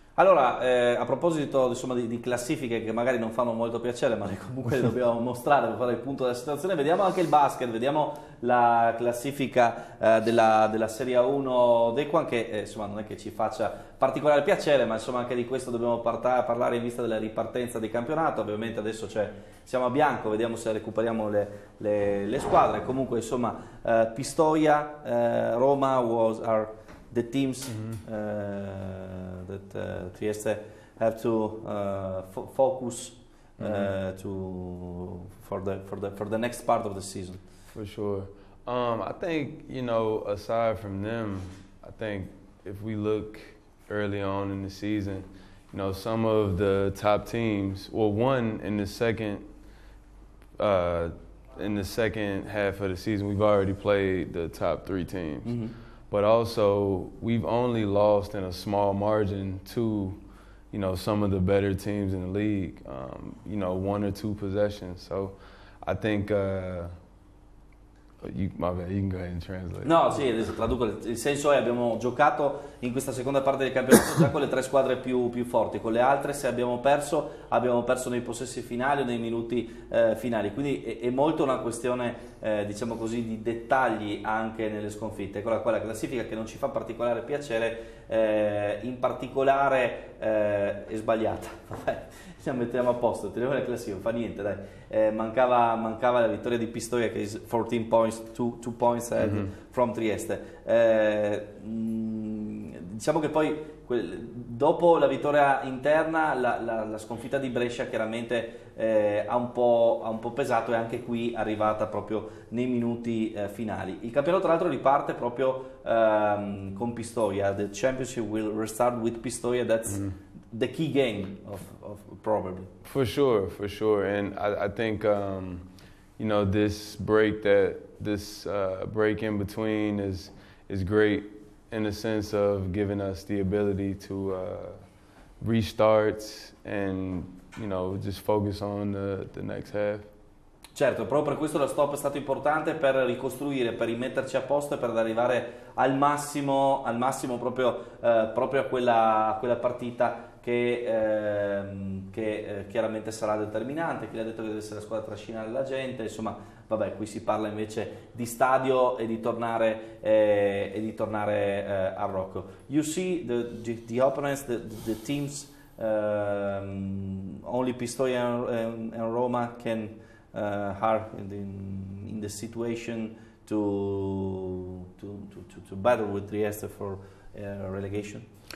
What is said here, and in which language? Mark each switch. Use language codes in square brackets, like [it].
[it] Allora, a proposito insomma, di classifiche che magari non fanno molto piacere, ma che comunque dobbiamo mostrare per fare il punto della situazione, vediamo anche il basket, vediamo la classifica della Serie A1 Dequan, che insomma, non è che ci faccia particolare piacere, ma insomma anche di questo dobbiamo parlare in vista della ripartenza di campionato. Ovviamente adesso siamo a bianco, vediamo se recuperiamo le squadre. Comunque insomma, [en] Pistoia, Roma, Wolves are the teams that Trieste have to focus for the next part of the season. For sure. I think, you know, aside from them, I think if we look early on in the season, you know, some of the top teams, well, one in the second half of the season, we've already played the top three teams. Mm-hmm. But also, we've only lost in a small margin to, you know, some of the better teams in the league, you know, one or two possessions. So I think, you can go ahead and translate. [it] No, sì, adesso traduco. Il senso è, abbiamo giocato in questa seconda parte del campionato già con le tre squadre più forti. Con le altre, se abbiamo perso nei possessi finali o nei minuti finali. Quindi è molto una questione, diciamo così, di dettagli anche nelle sconfitte. Ecco qua la classifica che non ci fa particolare piacere, in particolare è sbagliata. Vabbè, la mettiamo a posto, teniamo la classifica, fa niente, dai. Mancava la vittoria di Pistoia, che è [en] 14 points, 2 points ahead, mm-hmm, from Trieste. [it] Diciamo che poi dopo la vittoria interna, la sconfitta di Brescia chiaramente ha un po' pesato, e anche qui è arrivata proprio nei minuti finali. Il campionato tra l'altro riparte proprio con Pistoia. [en] The championship will restart with Pistoia, that's the key game of probably. For sure. And I think you know, this break in between is great in the sense of giving us the ability to restart and, you know, just focus on the next half. [it] Certo, proprio per questo lo stop è stato importante, per ricostruire, per rimetterci a posto e per arrivare al massimo proprio a quella partita che chiaramente sarà determinante. Chi l'ha detto che deve essere la squadra a trascinare la gente, insomma. Vabbè, qui si parla invece di stadio e di tornare a Rocco. [en] You see the opponents, the teams, only Pistoia and Roma can are in the situation to battle with Trieste for relegation.